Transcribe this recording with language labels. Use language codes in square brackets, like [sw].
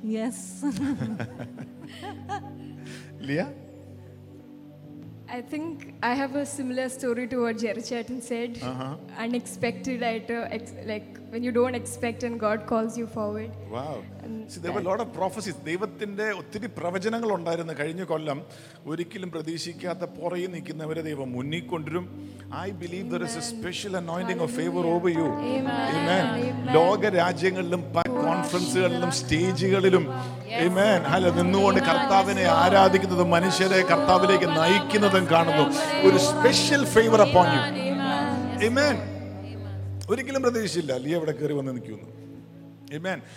[en] Yes. Leah, I think I have a similar story to what Jerry Chatton said. Unexpected item, like when you don't expect and God calls you forward. Wow. And see, there were a lot of prophecies. [ml] ദൈവത്തിന്റെ ഒത്തിരി പ്രവചനങ്ങൾ ഉണ്ടായിരുന്നു കഴിഞ്ഞ കൊല്ലം. ഒരിക്കലും പ്രതീക്ഷിക്കാത്ത പുറയിൽ നിൽക്കുന്നവരെ ദൈവം മുന്നിക്കൊണ്ടിരും. [en] I believe there is a special anointing of favor over you. Amen. Amen. [ml] ലോക രാജ്യങ്ങളിലും കോൺഫറൻസുകളിലും സ്റ്റേജുകളിലും ഇമേൻ ഹലോ നിന്നുകൊണ്ട് കർത്താവിനെ ആരാധിക്കുന്നതും മനുഷ്യരെ കർത്താവിലേക്ക് നയിക്കുന്നതും കാണുന്നു. ഒരു [en] Special favour upon you. [ml] ഇമേൻ. ഒരിക്കലും പ്രതീക്ഷിച്ചില്ല ലീ അവിടെ കയറി വന്ന് നിൽക്കുന്നു. ഇമേൻ.